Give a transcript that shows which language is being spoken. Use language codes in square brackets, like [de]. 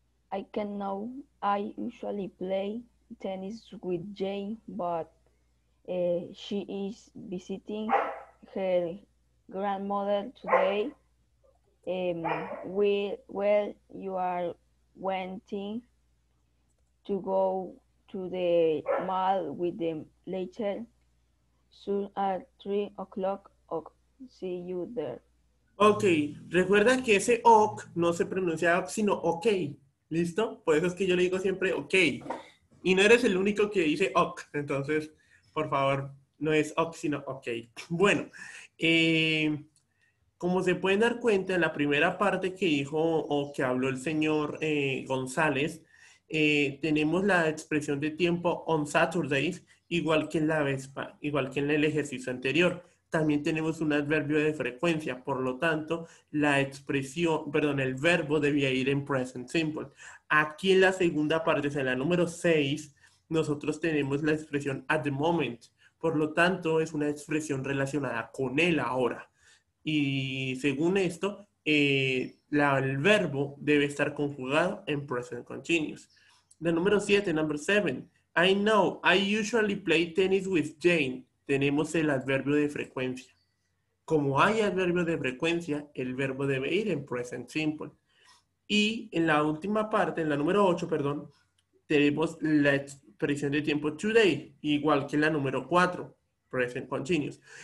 [en] I usually play tennis with Jane, but she is visiting her grandmother today. Well, you are wanting to go to the mall with them later. Soon at 3 o'clock, ok. See you there. [es] Ok, recuerda que ese ok no se pronuncia ok, sino ok. ¿Listo? Por eso es que yo le digo siempre ok. Y no eres el único que dice ok. Entonces, por favor, no es ok, sino ok. Bueno, como se pueden dar cuenta, en la primera parte que dijo o que habló el señor González, tenemos la expresión de tiempo on Saturdays, igual que en la Vespa, igual que en el ejercicio anterior. También tenemos un adverbio de frecuencia, por lo tanto, el verbo debía ir en present simple. Aquí en la segunda parte, en la número 6, nosotros tenemos la expresión [en] at the moment, [es] por lo tanto, es una expresión relacionada con el ahora. Y según esto, el verbo debe estar conjugado en present continuous. La número 7, [en] number 7. I know, I usually play tennis with Jane. [es] Tenemos el adverbio de frecuencia. Como hay adverbio de frecuencia, el verbo debe ir en present simple. Y en la última parte, en la número 8, perdón, tenemos la expresión de tiempo today, igual que en la número 4, present continuous.